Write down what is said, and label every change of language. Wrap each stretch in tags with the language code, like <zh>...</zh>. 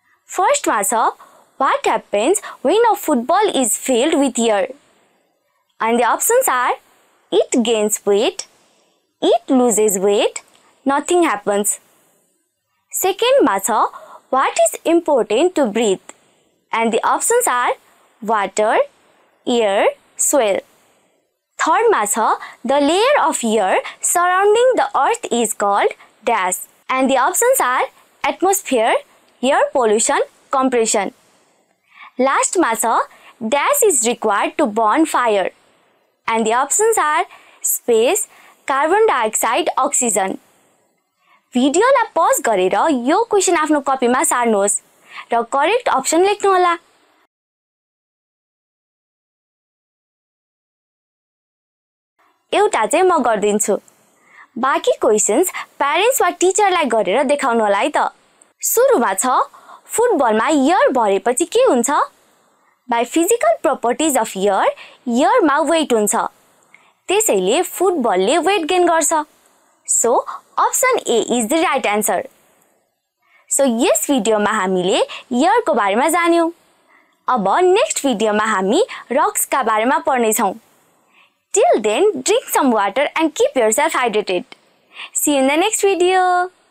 <ne>फर्स्टमा छ</ne> <en>what happens when a football is filled with air and the options are it gains weight it loses weight nothing happens</en> <ne>सेकेन्डमा छ</ne> <en>What is important to breathe? And the options are water, air, soil. Third ma cha, the layer of air surrounding the earth is called dust. And the options are atmosphere, air pollution, compression. Last ma cha, dust is required to burn fire. And the options are space, carbon dioxide, oxygen.</en> <ne>भिडियोलाई pause गरेर यो question आफ्नो कपीमा सार्नुहोस् र correct option लेख्नु होला। एउटा चाहिँ म गर्दिन्छु, बाकी क्वेसन्स प्यारेन्ट्स वा टिचरलाई गरेर देखाउनु होला है त। सुरुमा छ, फुटबलमा इयर भरेपछि के हुन्छ?</ne> <en>by physical properties of air,</en> <ne>इयरमा वेट हुन्छ, त्यसैले फुटबलले वेट गेन गर्छ।</ne> <en>So option A is the right answer.</en> <ne>So yes भिडियोमा हामीले इयरको बारेमा जान्यौँ। अब नेक्स्ट भिडियोमा हामी रक्सका बारेमा पढ्नेछौँ।</ne> <en>Till then, drink some water and keep yourself hydrated. See you in the next video.</en>